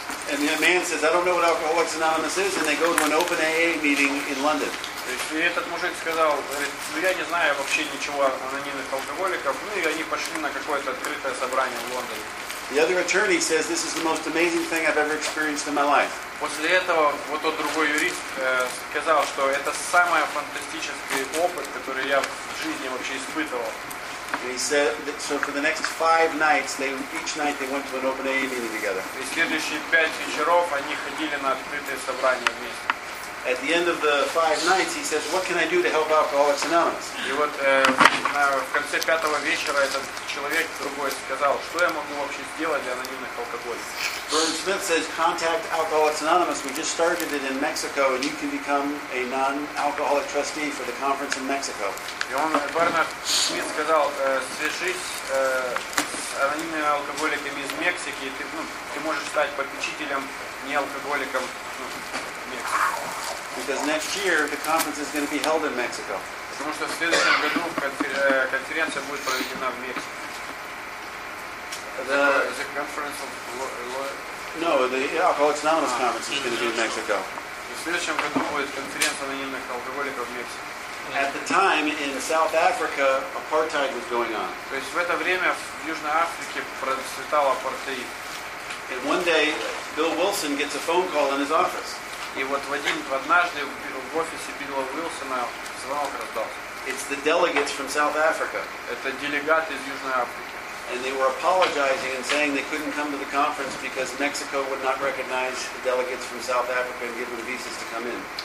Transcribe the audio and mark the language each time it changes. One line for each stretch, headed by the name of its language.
English: And the man says, "I don't know what Alcoholics Anonymous is," and they go to an open AA meeting in London.
Russian: И этот мужик сказал, говорит, я не знаю вообще ничего о анонимных алкоголиках, ну и они пошли на какое-то открытое собрание в Лондоне.
English: The other attorney says, "This is the most amazing thing I've ever experienced in my life."
Russian: После этого вот тот другой юрист сказал, что это самый фантастический опыт, который я в жизни вообще испытывал.
English: He said that, so for the next five nights, each night they went to an open AA meeting together.
Russian: И следующие пять вечеров они ходили на открытые собрания вместе.
English: At the end of the five nights, he says, "What can I do to help Alcoholics Anonymous?"
Russian: И вот в конце пятого вечера этот человек другой сказал, что я могу вообще сделать для анонимных алкоголиков.
English: Bernard Smith says, "Contact Alcoholics Anonymous. We just started it in Mexico, and you can become a non-alcoholic trustee for the conference in Mexico."
Russian: И он Бернард Смит сказал, свяжись с анонимными алкоголиками из Мексики, и ты можешь стать попечителем неалкоголиком.
English: Because next year the conference is going to be held in Mexico.
Russian: Потому что в следующем году конференция будет проведена в Мексике.
English: The conference of Alcoholics Anonymous conference is going to be in Mexico.
Russian: В следующем году будет конференция анонимных алкоголиков в Мексике.
English: At the time in South Africa, apartheid was going on.
Russian: То есть в это время в Южной Африке процветал апартеид.
English: And one day, Bill Wilson gets a phone call in his office.
Russian: И вот однажды в офисе Билла Уилсона звонок раздался.
English: It's the delegates from South Africa.
Russian: Это делегаты из Южной Африки.
English: and they were apologizing and saying they couldn't come to the conference because Mexico would not recognize the delegates from South Africa and give them visas to come in.